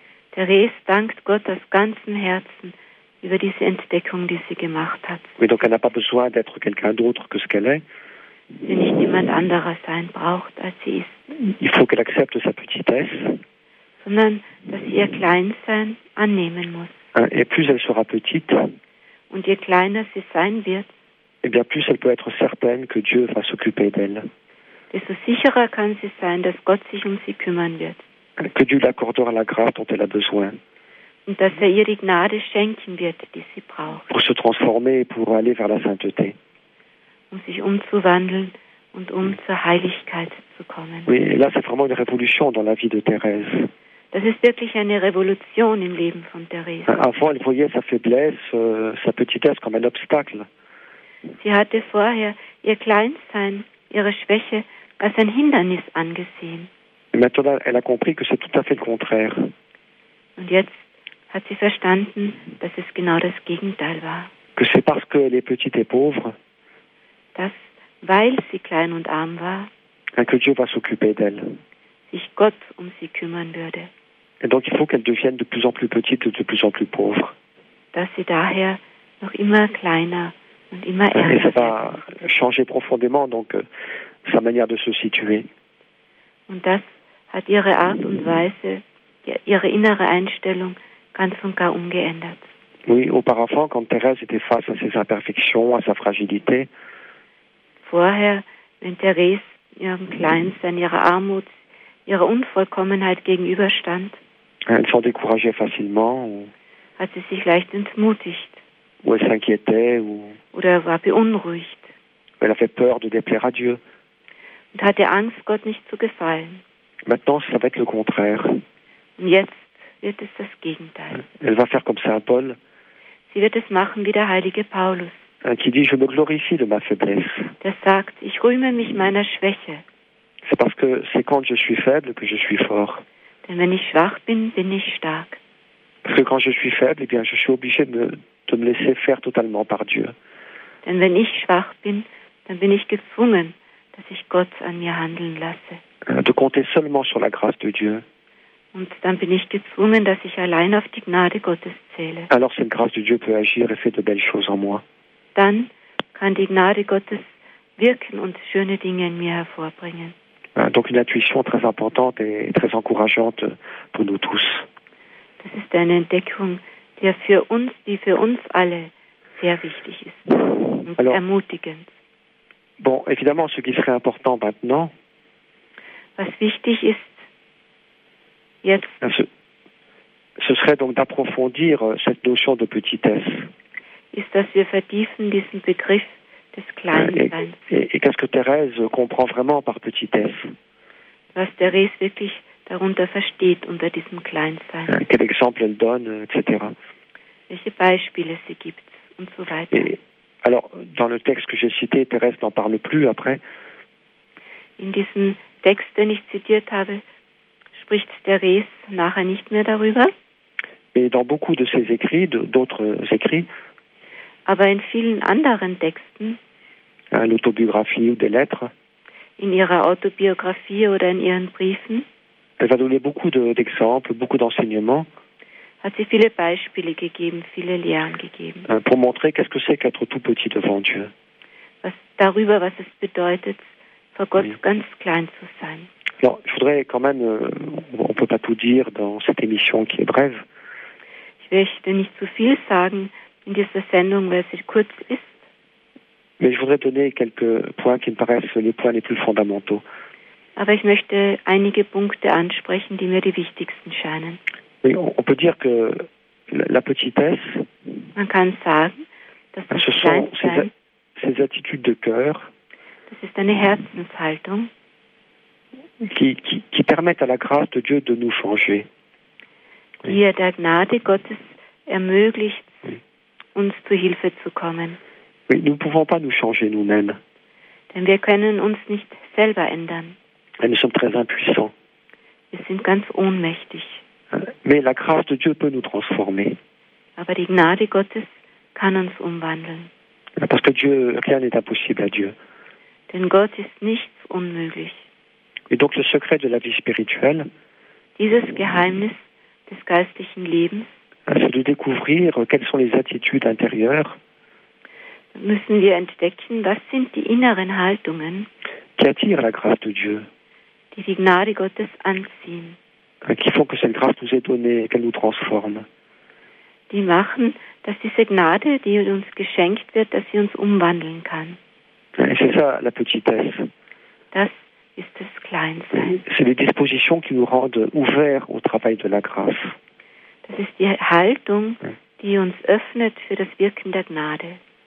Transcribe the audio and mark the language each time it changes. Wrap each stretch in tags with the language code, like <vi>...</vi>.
<de>Thérèse dankt Gott aus ganzem Herzen über diese Entdeckung, die sie gemacht hat.</de> <fr>Oui, donc elle n'a pas besoin d'être quelqu'un d'autre que ce qu'elle est.</fr> <de>Wenn nicht jemand anderer sein braucht, als sie ist.</de> <fr>Il faut qu'elle accepte sa petitesse.</fr> <de>Sondern, dass sie ihr Kleinsein annehmen muss.</de> <fr>Et plus elle sera petite,</fr> <de>und je kleiner sie sein wird,</de> <fr>et bien plus elle peut être certaine que Dieu va s'occuper d'elle.</fr> <de>Desto sicherer kann sie sein, dass Gott sich um sie kümmern wird.</de> <fr>Que Dieu l'accordera la grâce dont elle a besoin.</fr> <de>Und dass er ihr die Gnade schenken wird, die sie braucht.</de> <fr>Pour se transformer et pour aller vers la sainteté.</fr> <de>Um sich umzuwandeln und um zur Heiligkeit zu kommen.</de> <fr>Oui, là c'est vraiment une révolution dans la vie de Thérèse.</fr> <de>Das ist wirklich eine Revolution im Leben von Thérèse.</de> <fr>Avant, elle voyait sa faiblesse, sa petitesse comme un obstacle.</fr> <de>Sie hatte vorher ihr Kleinsein, ihre Schwäche als ein Hindernis angesehen.</de> <fr>Et maintenant, elle a compris que c'est tout à fait le contraire.</fr> <de>Und jetzt hat sie verstanden, dass es genau das Gegenteil war.</de> <fr>Que c'est parce qu'elle est petite et pauvre.</fr> <de>Dass, weil sie klein und arm war,</de> <fr>que Dieu va s'occuper d'elle.</fr> <de>Sich Gott um sie kümmern würde.</de> <fr>Et donc il faut qu'elle devienne de plus en plus petite et de plus en plus pauvre.</fr> <de>Dass sie daher noch immer kleiner und immer ärmer wird.</de> <fr>Ça va changer profondément donc sa manière de se situer.</fr> <de>Und das hat ihre Art und Weise, ihre innere Einstellung ganz und gar umgeändert.</de> <fr>Oui, auparavant, quand Thérèse était face à ses imperfections, à sa fragilité.</fr> <de>Vorher, wenn Thérèse ihrem Kleinsein, ihrer Armut, ihrer Unvollkommenheit gegenüberstand,</de> <fr>elle s'en décourageait facilement,</fr> <de>hat sie sich leicht entmutigt.</de> <fr>Ou elle s'inquiétait, ou</fr> <de>oder war beunruhigt.</de> <fr>Elle avait peur de déplaire à Dieu.</fr> <de>Und hatte Angst, Gott nicht zu gefallen.</de> <fr>Maintenant, ça va être le contraire.</fr> <de>Und jetzt wird es das Gegenteil.</de> <fr>Elle va faire comme Saint Paul.</fr> <de>Sie wird es machen wie der heilige Paulus.</de> <fr>Qui dit, je me glorifie de ma faiblesse.</fr> <de>Der sagt, ich rühme mich meiner Schwäche.</de> <fr>C'est parce que c'est quand je suis faible que je suis fort.</fr> <de>Denn wenn ich schwach bin, bin ich stark.</de> <fr>Parce que quand je suis faible, eh bien, je suis obligé de me laisser faire totalement par Dieu.</fr> <de>Denn wenn ich schwach bin, dann bin ich gezwungen, dass ich Gott an mir handeln lasse.</de> <fr>De compter seulement sur la grâce de Dieu.</fr> <de>Und dann bin ich gezwungen, dass ich allein auf die Gnade Gottes zähle.</de> <fr>Alors cette grâce de Dieu peut agir et fait de belles choses en moi.</fr> <de>Dann kann die Gnade Gottes wirken und schöne Dinge in mir hervorbringen.</de> <fr>Donc une intuition très importante et très encourageante pour nous tous.</fr> <de>Das ist eine Entdeckung, die für uns alle sehr wichtig ist und alors, ermutigend.</de> <fr>Bon, évidemment, ce qui serait important maintenant,</fr> <de>was wichtig ist jetzt,</de> <fr>ce serait donc d'approfondir cette notion de petitesse.</fr> <de>Ist, dass wir vertiefen diesen Begriff des Kleinseins.</de> <fr>Et qu'est-ce que Thérèse comprend vraiment par petitesse?</fr> <de>Was Thérèse wirklich darunter versteht, unter diesem Kleinsein.</de> <fr>Quel exemple elle donne, etc.</fr> <de>Welche Beispiele sie gibt und so weiter.</de> <fr>Alors, dans le texte que j'ai cité, Thérèse n'en parle plus après.</fr> <de>In diesem Text, den ich zitiert habe, spricht Thérèse nachher nicht mehr darüber.</de> <fr>Mais dans beaucoup de ses écrits, d'autres écrits,</fr> <de>aber in vielen anderen Texten,</de> <fr>l'autobiographie ou des lettres,</fr> <de>in ihrer Autobiographie oder in ihren Briefen,</de> <fr>elle va donner beaucoup d'exemples, beaucoup d'enseignements,</fr> <de>hat sie viele Beispiele gegeben, viele Lehren gegeben.</de> <fr>Pour montrer qu'est-ce que c'est qu'être tout petit devant Dieu.</fr> <de>Darüber, was es bedeutet, vor Gott ganz klein zu sein.</de> <fr>Alors, je voudrais quand même, on ne peut pas tout dire dans cette émission qui est brève.</fr> <de>Ich möchte nicht zu viel sagen in dieser Sendung, weil sie kurz ist.</de> <fr>Mais je voudrais donner quelques points qui me paraissent les points les plus fondamentaux.</fr> <de>Aber ich möchte einige Punkte ansprechen, die mir die wichtigsten scheinen.</de> <fr>Oui, on peut dire que la petitesse,</fr> <de>man kann sagen, dass das</de> <fr>ce sont ces attitudes de cœur,</fr> <de>das ist eine Herzenshaltung,</de> <fr>qui permettent à la grâce de Dieu de nous changer.</fr> <de>Die der Gnade Gottes ermöglicht, uns zu Hilfe zu kommen.</de> <fr>Oui, nous ne pouvons pas nous changer nous-mêmes.</fr> <de>Denn wir können uns nicht selber ändern.</de> <fr>Nous sommes très impuissants.</fr> <de>Wir sind ganz ohnmächtig.</de> <fr>Mais la grâce de Dieu peut nous transformer.</fr> <de>Aber die Gnade Gottes kann uns umwandeln.</de> <fr>Parce que Dieu, rien n'est impossible à Dieu.</fr> <de>Denn Gott ist nichts unmöglich.</de> <fr>Et donc le secret de la vie spirituelle,</fr> <de>dieses Geheimnis des geistlichen Lebens,</de> <fr>c'est de découvrir quelles sont les attitudes intérieures,</fr> <de>müssen wir entdecken, was sind die inneren Haltungen,</de> <fr>qui attirent la grâce de Dieu,</fr> <de>die Gnade Gottes anziehen,</de> <fr>qui font que cette grâce nous est donnée et qu'elle nous transforme.</fr> <de>Die machen, dass diese Gnade, die uns geschenkt wird, dass sie uns umwandeln kann.</de> <fr>Et c'est ça, la petitesse.</fr> <de>Das ist das Kleinsein.</de> <fr>C'est les dispositions qui nous rendent ouverts au travail de la grâce.</fr> <de>Das ist die Haltung, die uns öffnet für das Wirken der Gnade.</de>